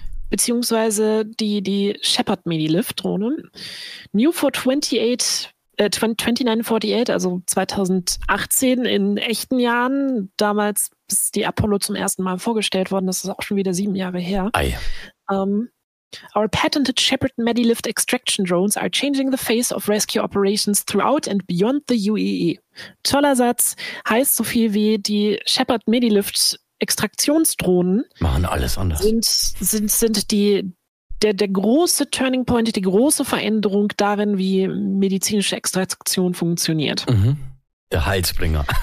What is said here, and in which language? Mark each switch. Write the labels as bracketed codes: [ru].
[de] Beziehungsweise die Shepard Medilift Drohne. [en] New for 2948, [de] also 2018 in echten Jahren. Damals ist die Apollo zum ersten Mal vorgestellt worden. Das ist auch schon wieder 7 Jahre her. [en] Our patented Shepard Medilift Extraction Drones are changing the face of rescue operations throughout and beyond the UAE. [de] Toller Satz. Heißt so viel wie, die Shepard Medilift Extraktionsdrohnen machen alles anders. Sind der große Turning Point, die große Veränderung darin, wie medizinische Extraktion funktioniert. Der Heilsbringer.